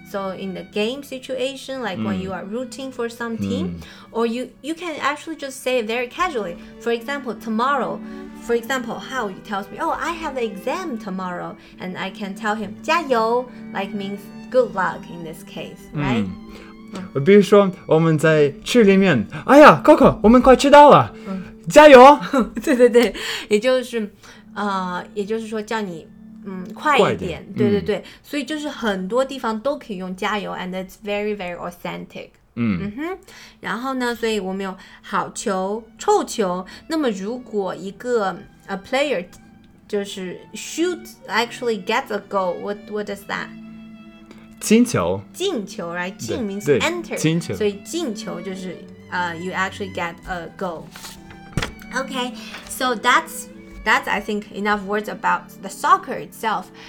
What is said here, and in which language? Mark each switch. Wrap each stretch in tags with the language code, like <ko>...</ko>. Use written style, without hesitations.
<en>So in the game situation, like when you are rooting for some team, or you can actually just say it very casually. For example, tomorrow, for example, Hao tells me, oh, I have an exam tomorrow. And I can tell him, 加油 like means good luck in this case, right?</en> <zh>比如说我们在吃里面，哎呀 Coco, 我们快吃到了，加油。对对对，也就是也就是说叫你快一点，对对对，所以就是很多地方都可以用加油</zh> <en>and it's very very authentic。</en> <zh>然后呢，所以我们有好球、臭球。那么如果一个</zh> <en>a player 就是 shoot actually gets a goal, what does that?</en> <zh>进球，</zh> <en>进球 ，right? 进 means enter，</en> <zh>进球，所以进球就是</zh> <en>you actually get a goal. Okay, so that's I think enough words about the soccer itself.</en>